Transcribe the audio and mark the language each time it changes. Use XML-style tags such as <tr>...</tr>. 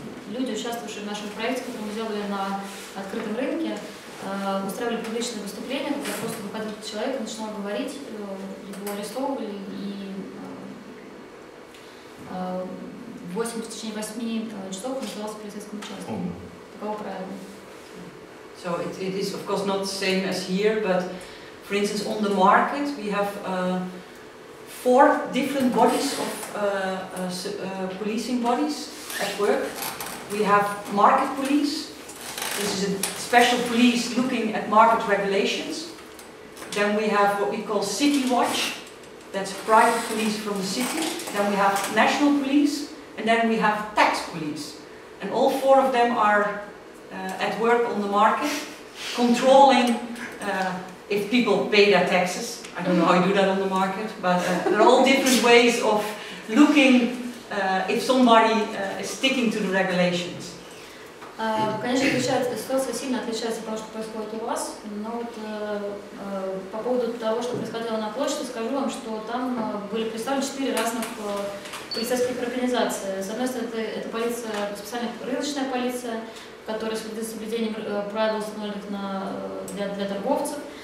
<ru>Люди, участвовавшие в нашем проекте, который мы делали на открытом рынке, устраивали публичные выступления, когда просто выходил человек и начинал говорить, его арестовывали, и в течение восьми часов он сдавался полицейскому участку. Таково правило.</ru> <en>So it is of course not the same as here, but for instance on the market we have 4 different bodies of policing bodies at work. We have market police. This is a special police looking at market regulations. Then we have what we call city watch. That's private police from the city. Then we have national police. And then we have tax police. And all 4 of them are at work on the market, controlling if people pay their taxes. I don't know how you do that on the market, but there are all different ways of looking if somebody is sticking to the regulations.</en> <ru>Конечно, отличается, ситуация сильно отличается от того, что происходит у вас, но вот по поводу того, что происходило на площади, скажу вам, что там были представлены 4 разных полицейских организации. С одной стороны, это полиция, специальная рыночная полиция, которая следит за соблюдением правил, установленных для торговцев.</ru>